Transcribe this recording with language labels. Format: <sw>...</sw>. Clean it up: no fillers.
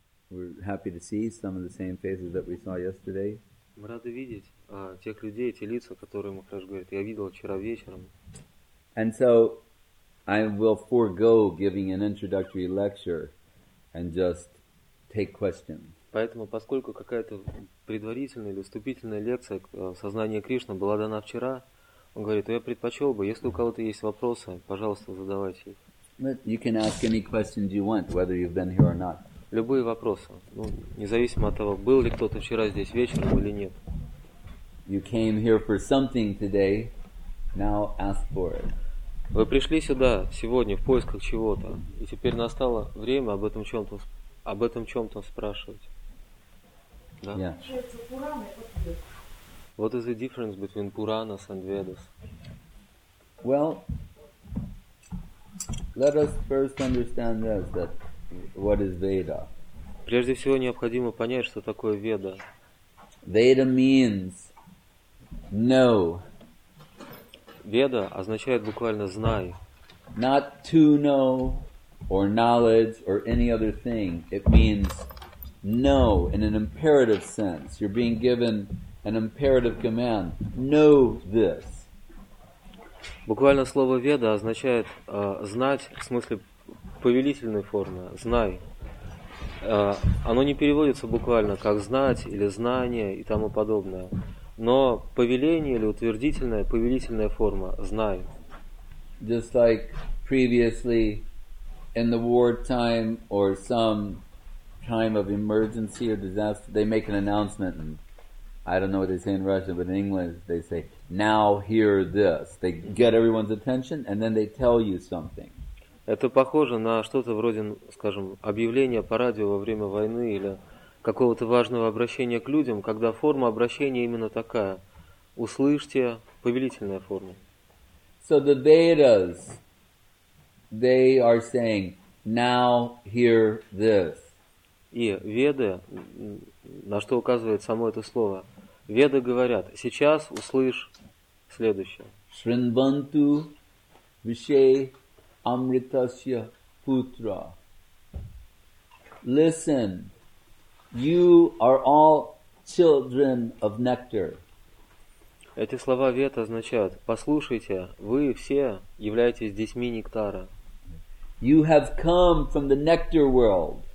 <en>We're happy to see some of the same faces that we saw yesterday.</en> <ru>Мы рады видеть тех людей, эти лица, которые Махарадж говорит, я видел вчера вечером.</ru> <en>And so I will forego giving an introductory lecture and just take questions.</en> <ru>Поэтому, поскольку какая-то предварительная или вступительная лекция сознания Кришны была дана вчера, он говорит, я предпочел бы, если у кого-то есть вопросы, пожалуйста, задавайте их.</ru> <en>You can ask any questions you want, whether you've been here or not.</en> <ru>Любые вопросы, ну, независимо от того, был ли кто-то вчера здесь вечером или нет.</ru> <en>You came here for something today, now ask for it.</en> <ru>Вы пришли сюда сегодня в поисках чего-то, и теперь настало время об этом чем-то спрашивать. Да?</ru> <en>Yeah. What is the difference between Puranas and Vedas? Well, let us first understand this, that what is Veda?</en> <ru>Прежде всего необходимо понять, что такое Веда.</ru> <en>Veda means no.</en> <ru>Веда означает буквально знай.</ru> <en>Not to know or knowledge or any other thing. It means know in an imperative sense. You're being given an imperative command. Know this.</en> <ru>Буквально слово Веда означает знать в смысле повелительной формы. Знай. Оно не переводится буквально как знать или знание и тому подобное. Но повеление или утвердительная, повелительная форма знай.</ru> <en>Just like previously in the war time or some time of emergency or disaster, they make an announcement and I don't know what they say in Russian, but in English they say, now hear this. They get everyone's attention and then they tell you something.</en> <ru>Это похоже на что-то вроде, скажем, объявления по радио во время войны или какого-то важного обращения к людям, когда форма обращения именно такая. Услышьте, повелительная форма.</ru> <en>So the Vedas, they are saying, now hear this.</en> <ru>И Веды, на что указывает само это слово, Веды говорят, сейчас услышь следующее.</ru> <sa>Шринбанту вишей амритасья путра.</sa> <en>Listen. You are all children of nectar.</en> <ru>Эти слова Вед означают: послушайте, вы все являетесь детьми нектара.</ru> <en>You have come from the nectar world.</en>